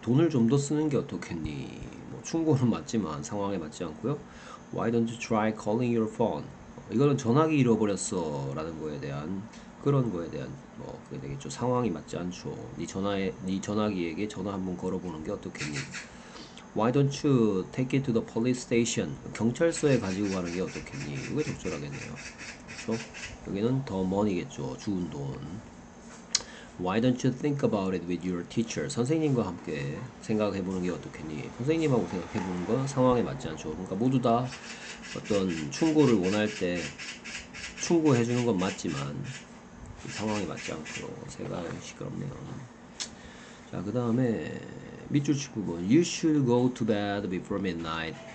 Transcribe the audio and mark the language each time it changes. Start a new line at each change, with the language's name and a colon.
Korean: 돈을 좀더 쓰는 게 어떻겠니? 뭐 충고는 맞지만 상황에 맞지 않고요.
English: Why don't you try calling your phone?
Korean: 이거는 전화기 잃어버렸어라는 거에 대한 그런 거에 대한 뭐 그게 되겠죠. 상황이 맞지 않죠. 네 전화에 네 전화기에게 전화 한번 걸어보는 게 어떻겠니?
English: Why don't you take it to the police station?
Korean: 경찰서에 가지고 가는 게 어떻겠니? 이게 적절하겠네요. 그렇죠? 여기는 더 머니겠죠. 주운 돈.
English: Why don't you think about it with your teacher?
Korean: 선생님과 함께 생각해 보는 게 어떻겠니? 선생님하고 생각해 보는 건 상황에 맞지 않죠. 그러니까 모두 다 어떤 충고를 원할 때 충고해 주는 건 맞지만 상황에 맞지 않고 제가 시끄럽네요. 자, 그 다음에 밑줄 치고 뭐
English: You should go to bed before midnight.